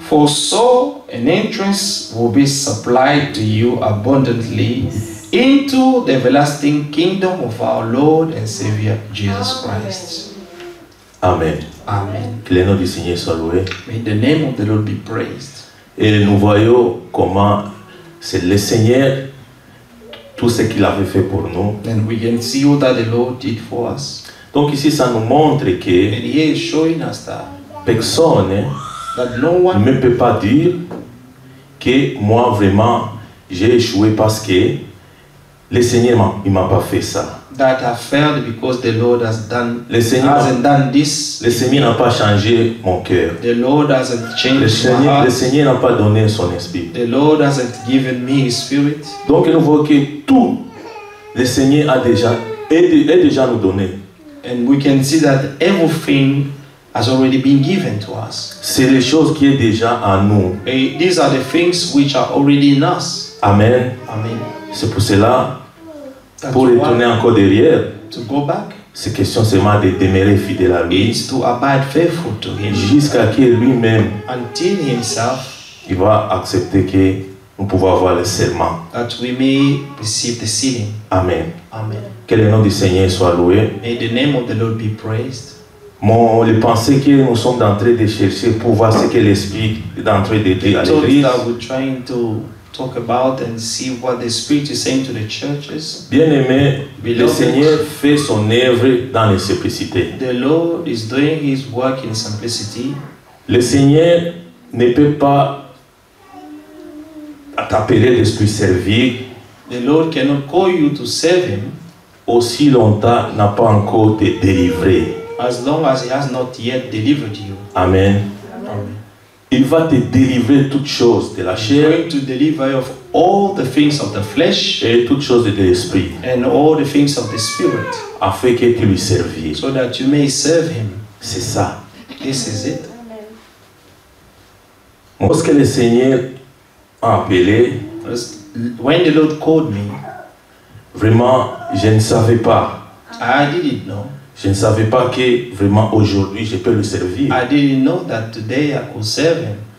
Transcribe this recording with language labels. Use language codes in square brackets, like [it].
[en] For so an entrance will be supplied to you abundantly into the everlasting kingdom of our Lord and Savior Jesus Christ. Amen. Amen. [fr] Que le nom du Seigneur soit loué. [en] May the name of the Lord be praised. [fr] Et nous voyons comment c'est le Seigneur tout ce qu'il avait fait pour nous. [en] And we can see what the Lord did for us. [fr] Donc ici, ça nous montre que personne ne peut pas dire que moi, vraiment, j'ai échoué parce que le Seigneur ne m'a pas fait ça. [en] That I failed because the Lord has done, [fr] le Seigneur [en] hasn't done this. [fr] Le Seigneur n'a pas changé mon cœur. [en] The Lord hasn't changed [fr] le Seigneur, [en] my heart. [fr] Le Seigneur n'a pas donné son esprit. [en] The Lord hasn't given me his spirit. [fr] Donc, nous voyons que tout le Seigneur a déjà, est déjà nous donné. [en] And we can see that everything has already been given to us. [fr] C'est les choses qui est déjà en nous. [en] And these are the things which are already in us. Amen. Amen. [fr] C'est pour cela, that pour retourner encore derrière, [en] to go back, [fr] c'est question seulement de demeurer fidèle à lui. [en] To abide faithful to him. [fr] Jusqu'à que lui-même, [en] until himself, [fr] il va accepter que nous pouvons avoir le serment. [en] That we may receive the sealing. Amen. Amen. [fr] Que le nom du Seigneur soit loué. [en] May the name of the Lord be praised. [fr] Les pensées que nous sommes en train de chercher pour voir ce que l'Esprit est en train de dire à l'Église. [en] The thoughts that we're trying to talk about and see what the Spirit is saying to the churches. [fr] Bien-aimé, le Seigneur fait son œuvre dans la simplicité. [en] The Lord is doing his work in simplicity. [fr] Le Seigneur ne peut pas t'appeler l'Esprit servir. [en] The Lord cannot call you to serve him. [fr] Aussi longtemps n'a pas encore été délivré. [en] As long as he has not yet delivered you. Amen. Amen. [fr] Il va te délivrer toutes choses de la chair. [en] He's going to deliver you of all the things of the flesh. [fr] Et toutes choses de l'esprit. [en] And all the things of the spirit. [fr] Afin que tu lui servies. [en] So that you may serve him. [fr] C'est ça. [en] This is it. [fr] Amen. Lorsque le Seigneur m'a appelé, [en] when the Lord called me, [fr] vraiment, je ne savais pas. [en] I didn't know. [fr] Je ne savais pas que vraiment aujourd'hui je peux le servir. [en] I didn't know that today I could serve him.